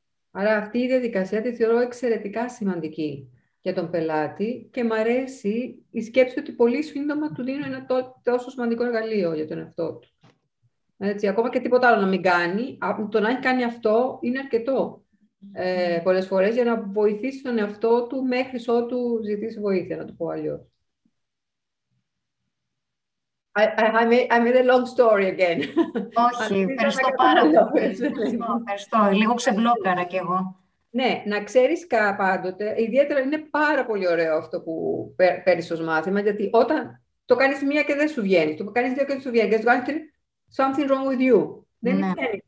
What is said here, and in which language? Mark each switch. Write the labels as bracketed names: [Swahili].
[Greek] Άρα αυτή η διαδικασία τη θεωρώ εξαιρετικά σημαντική για τον πελάτη και μου αρέσει η σκέψη ότι πολύ σύντομα του δίνω ένα τόσο σημαντικό εργαλείο για τον εαυτό του. Έτσι, ακόμα και τίποτα άλλο να μην κάνει, το να έχει κάνει αυτό είναι αρκετό πολλές φορές για να βοηθήσει τον εαυτό του μέχρι ότου ζητήσει βοήθεια, να το πω αλλιώς. [English] I made a long story again. [Greek] Όχι, ευχαριστώ πάρα πολύ. Ευχαριστώ, λίγο ξεμπλόκαρα κι εγώ. Ναι, να ξέρεις πάντοτε, ιδιαίτερα είναι πάρα πολύ ωραίο αυτό που παίρνεις ως μάθημα, γιατί όταν το κάνεις μία και δεν σου βγαίνει, το κάνεις δύο και δεν σου βγαίνει, και το κάνεις [English] something wrong with you. [Greek] Δεν ξέρει.